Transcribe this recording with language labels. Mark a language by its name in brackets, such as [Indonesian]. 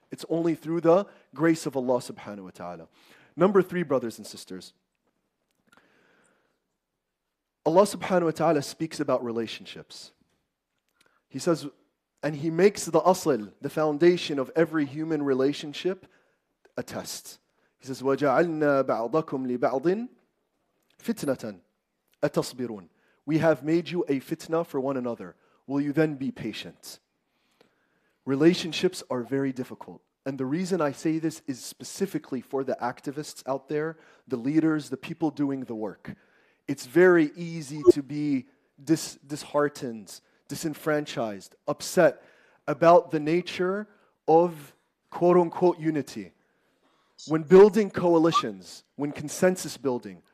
[English] It's only through the grace of Allah subhanahu wa ta'ala. Number three, brothers and sisters. Allah subhanahu wa ta'ala speaks about relationships. He says, and He makes the asl, the foundation of every human relationship, a test. He says, [Arabic] وَجَعَلْنَا بَعْضَكُمْ لِبَعْضٍ فِتْنَةً أَتَصْبِرُونَ. [English] We have made you a fitna for one another. Will you then be patient? Relationships are very difficult. And the reason I say this is specifically for the activists out there, the leaders, the people doing the work. It's very easy to be disheartened, disenfranchised, upset about the nature of quote-unquote unity. When building coalitions, when consensus building,